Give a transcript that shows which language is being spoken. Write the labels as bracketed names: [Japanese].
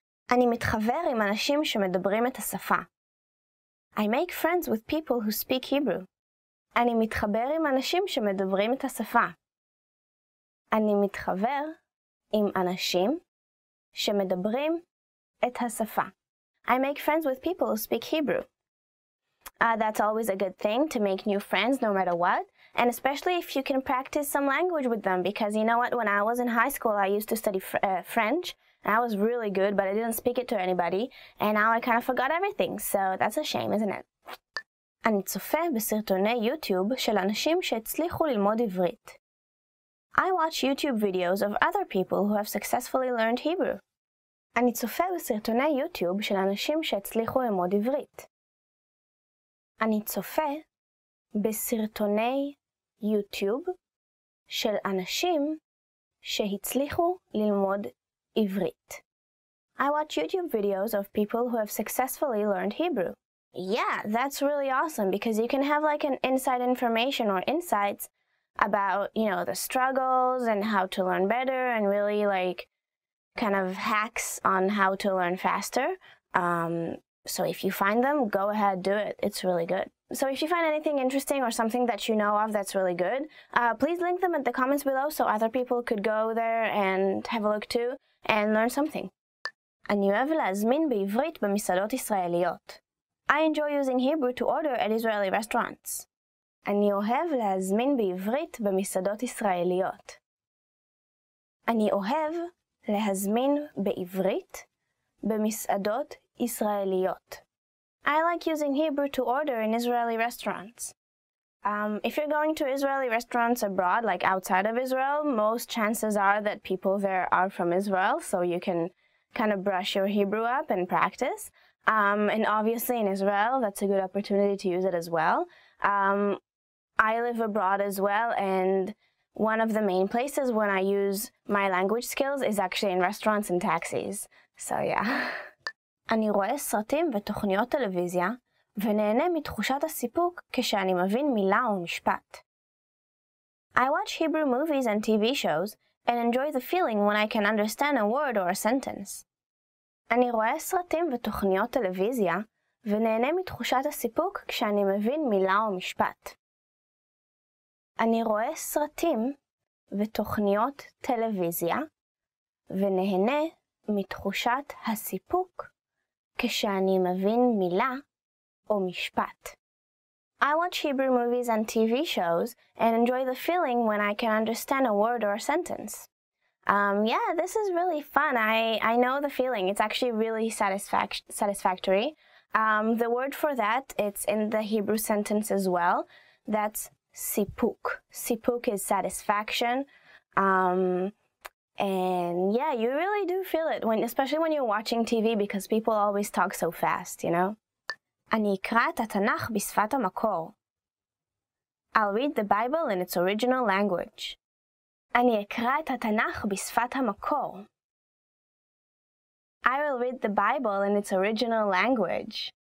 [Hebrew] אני מתחבר עם אנשים שמדברים את השפה. [English] I make friends with people who speak Hebrew. [Hebrew] אני מתחבר עם אנשים שמדברים את השפה. אני מתחבר עם אנשים שמדברים את השפה. [English] I make friends with people who speak Hebrew. That's always a good thing, to make new friends no matter what, and especially if you can practice some language with them, because you know what, when I was in high school I used to study French, and I was really good, but I didn't speak it to anybody, and now I kind of forgot everything, so that's a shame, isn't it? [Hebrew] אני צופה בסרטוני יוטיוב של אנשים שהצליחו ללמוד עברית. [English] I watch YouTube videos of other people who have successfully learned Hebrew. [Hebrew] אני צופה בסרטוני יוטיוב של אנשים שהצליחו ללמוד עברית. אני צופה בסרטוני יוטיוב של אנשים שהצליחו ללמוד עברית. [English] I watch YouTube videos of people who have successfully learned Hebrew. Yeah, that's really awesome, because you can have like an inside information or insights about, you know, the struggles and how to learn better, and really like kind of hacks on how to learn faster. So if you find them, go ahead, do it. It's really good. So if you find anything interesting or something that you know of that's really good, please link them in the comments below so other people could go there and have a look too and learn something. [Hebrew] אני אוהב להזמין בעברית במסעדות ישראליות. [English] I enjoy using Hebrew to order at Israeli restaurants. [Hebrew] אני אוהב להזמין בעברית במסעדות ישראליות. אני אוהב להזמין בעברית במסעדות ישראליות. [English] I like using Hebrew to order in Israeli restaurants. If you're going to Israeli restaurants abroad, like outside of Israel, most chances are that people there are from Israel, so you can kind of brush your Hebrew up and practice. And obviously in Israel, that's a good opportunity to use it as well. I live abroad as well, and One of the main places when I use my language skills is actually in restaurants and taxis. So yeah. [Hebrew] אני רואה סרטים ותוכניות טלוויזיה ונהנה מתחושת הסיפוק כשאני מבין מילה או משפט. [English] I watch Hebrew movies and TV shows and enjoy the feeling when I can understand a word or a sentence. [Hebrew] אני רואה סרטים ותוכניות טלוויזיה ונהנה מתחושת הסיפוק כשאני מבין מילה או משפט. אני רואה סרטים ותוכניות טלוויזיה ונהנה מתחושת הסיפוק כשאני מבין מילה או משפט. [English] I watch Hebrew movies and TV shows and enjoy the feeling when I can understand a word or a sentence. Yeah, this is really fun. I know the feeling. It's actually really satisfactory. The word for that, it's in the Hebrew sentence as well. That's sipuk. Sipuk is satisfaction. And yeah, you really do feel it, especially when you're watching TV, because people always talk so fast, you know? [Hebrew] אני אקרא את התנ"ך בשפת המקור. [English] I'll read the Bible in its original language. [Hebrew] אני אקרא את התנ"ך בשפת המקור. [English] I will read the Bible in its original language.